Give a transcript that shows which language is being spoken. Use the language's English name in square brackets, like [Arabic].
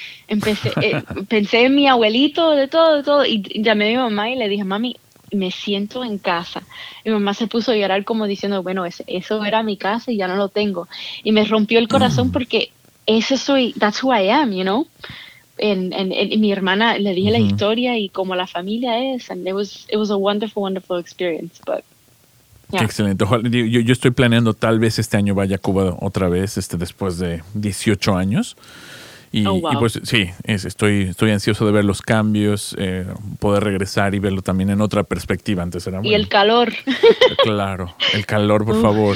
[Spanish] Pensé en mi abuelito, de todo. Y llamé a mi mamá y le dije, mami, me siento en casa. Y mi mamá se puso a llorar como diciendo, bueno, eso era mi casa y ya no lo tengo. Y me rompió el corazón porque eso soy, [English] that's who I am, you know. [Spanish] En mi hermana le dije la historia y como la familia es. [English] And it was a wonderful, wonderful experience, but... [Spanish] Qué excelente. Yo estoy planeando tal vez este año vaya a Cuba otra vez, después de 18 años. Y pues sí, estoy ansioso de ver los cambios, poder regresar y verlo también en otra perspectiva. Antes era bueno. Y el calor. Claro, el calor, por favor.